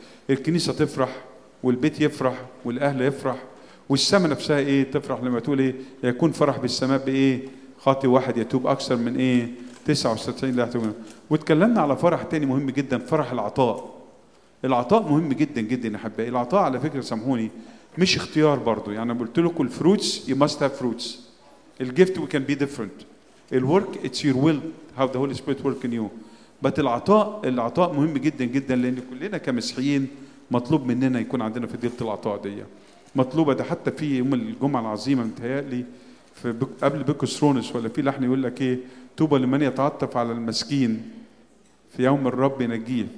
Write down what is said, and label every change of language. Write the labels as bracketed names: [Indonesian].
[Arabic] الكنيسه تفرح والبيت يفرح والاهل يفرح والسماء نفسها تفرح لما تقول يكون فرح بالسماء بايه خاطئ واحد يتوب اكثر من 99 لا يتوب. وتكلمنا على فرح تاني مهم جدا, فرح العطاء. العطاء مهم جدا جدا يا احبائي. العطاء على فكره سامحوني مش اختيار برضو. يعني قلت لكم الفروتس [English] you must have fruits. [Arabic] الجيفت [English] we can be different. الورك it's your will how the Holy Spirit work in you. [Arabic] بس العطاء مهم جدا جدا لان كلنا كمسيحيين مطلوب مننا يكون عندنا في ديله العطاء دي مطلوبه. ده حتى في يوم الجمعه العظيمه متهيألي في قبل بيكوس رونس ولا في لحن يقول لك ايه توبى لمن يتعطف على المسكين في يوم الرب ينجيه.